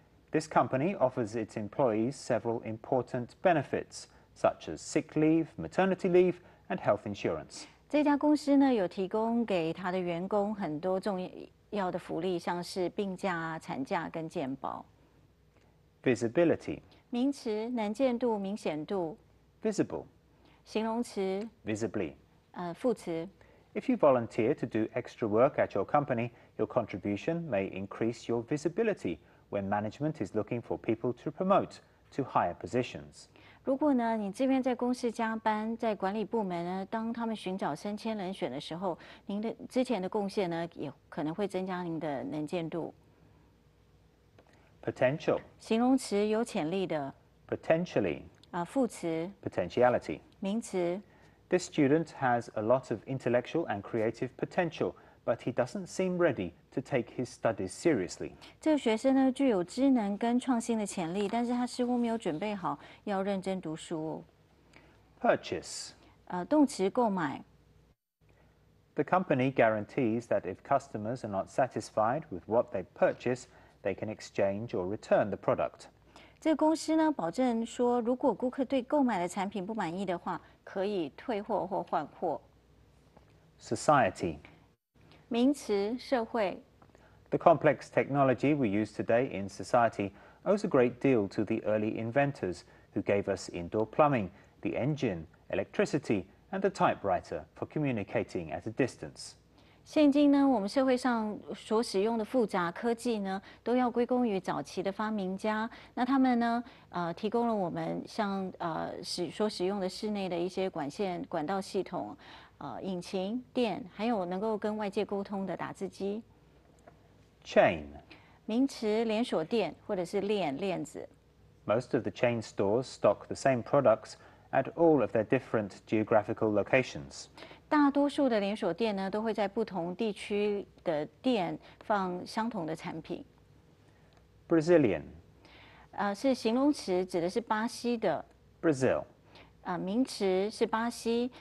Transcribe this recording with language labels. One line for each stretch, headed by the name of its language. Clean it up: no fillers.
English: This company offers its employees several important benefits. Such as sick leave, maternity leave, and health insurance.
Chinese: 这家公司呢有提供给他的员工很多重要的福利，像是病假、产假跟健保。
English: Visibility.
Chinese: 名词，能见度、明显度。
English: Visible.
Chinese: 形容词。
English: Visibly.
Chinese: 副词。
English: If you volunteer to do extra work at your company, your contribution may increase your visibility when management is looking for people to promote to higher positions.
Chinese: 如果呢，你这边在公司加班，在管理部门呢，当他们寻找升迁人选的时候，您的之前的贡献呢，也可能会增加您的能见度。
English: Potential，
Chinese: 形容词，有潜力的。
English: Potentially，
Chinese: 副词。
English: Potentiality，
Chinese: 名词。
English: This student has a lot of intellectual and creative potential, but he doesn't seem ready to take his studies seriously.
Chinese: 这个学生呢，具有智能跟创新的潜力，但是他似乎没有准备好要认真读书。
English: Purchase.
Chinese: 动词购买。
English: The company guarantees that if customers are not satisfied with what they purchase, they can exchange or return the product.
Chinese: 这个公司呢，保证说如果顾客对购买的产品不满意的话，可以退货或换货。
English: Society.
Chinese: 名词，社会。
English: The complex technology we use today in society owes a great deal to the early inventors who gave us indoor plumbing, the engine, electricity,and the typewriter for communicating at a distance.
Chinese: 现今呢，我们社会上所使用的复杂科技呢，都要归功于早期的发明家。那他们呢，提供了我们像所使用的室内的一些管线、管道系统、引擎、电，还有能够跟外界沟通的打字机。
English: Chain.
Chinese: 名词，连锁店或者是链、链子。
English: Most of the chain stores stock the same products. At all of their different geographical locations.
Chinese: 大多数的连锁店呢，都会在不同地区的店放相同的产品。
English: Brazilian.
Chinese: 是形容词，指的是巴西的。
English: Brazil.
Chinese: 名词是巴西。